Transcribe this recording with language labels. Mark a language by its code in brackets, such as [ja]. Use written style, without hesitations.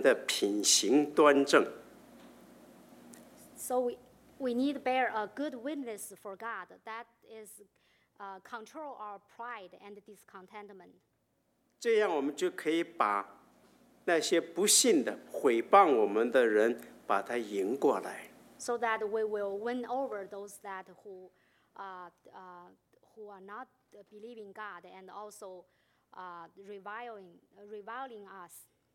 [zh] 我们中英文就不念了啊，时间的关系。换句话说，我们要有一个基督徒的生命的好见证。这个好见证是我们可以控制我们的私欲，我们的品行端正。 [en] So we need to bear a good witness for God. That is control our pride and discontentment. [zh] 这样我们就可以把 那些不信的毁谤我们的人, 把他赢过来, [en] so that we will win over those that who are not believing God and also reviling us.